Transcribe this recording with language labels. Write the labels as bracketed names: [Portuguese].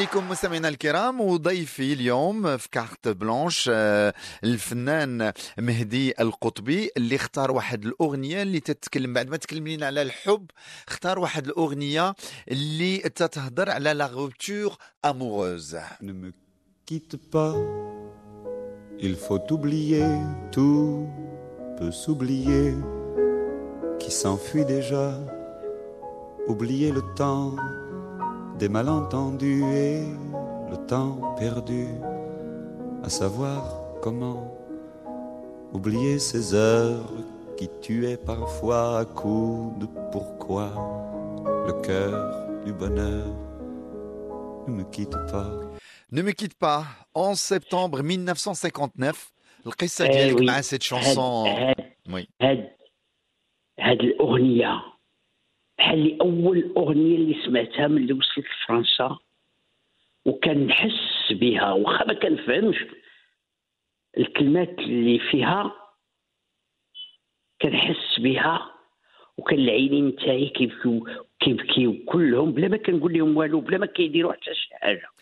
[Arabic] مستمعينا الكرام وضيفي اليوم في كارت بلانش الفنان مهدي القطبي اللي اختار واحد الأغنية اللي تتكلم بعد ما تكلمين على الحب اختار واحد الأغنية اللي تتهضر على la rupture amoureuse. [French] Ne me quitte pas, il faut oublier, tout peut s'oublier, qui s'enfuit déjà, oublier le temps. Des malentendus et le temps perdu à savoir comment oublier ces heures qui tuaient parfois à coups de pourquoi le cœur du bonheur ne me quitte pas. Ne me quitte pas. En septembre 1959, le récit de cette chanson. Oui. Had l'ornia. [Arabic] هلي أول أغنية اللي سمعتها من اللي وصلت فرنسا وكان نحس بها وخبا كان فهمش الكلمات اللي فيها كان نحس بها وكان العيني نتاعي كيبكي وكلهم بلا ما كان نقول لهم والو بلا ما كيديروا حتى شي حاجة.